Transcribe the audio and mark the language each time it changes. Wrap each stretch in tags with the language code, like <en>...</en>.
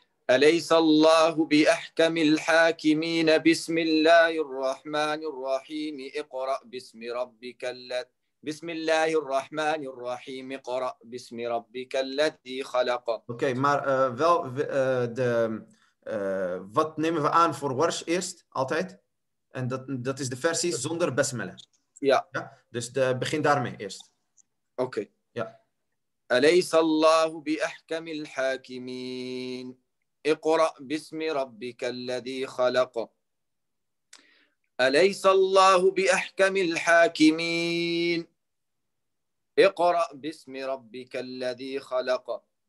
<ar>أليس الله بأحكم الحاكمين بسم الله الرحمن الرحيم اقرأ باسم ربك الذي بسم الله الرحمن الرحيم اقرأ باسم ربك الذي خلق</ar> <nl>Okay, maar wel de wat nemen we aan voor wars eerst altijd? En dat is de versie zonder besmele. Ja. Ja. Dus begin daarmee eerst. Okay. Ja.</nl> <ar>أليس الله بأحكم الحاكمين اقرأ باسم ربك الذي خلق أليس الله بأحكم الحاكمين اقرأ باسم ربك الذي خلق</ar>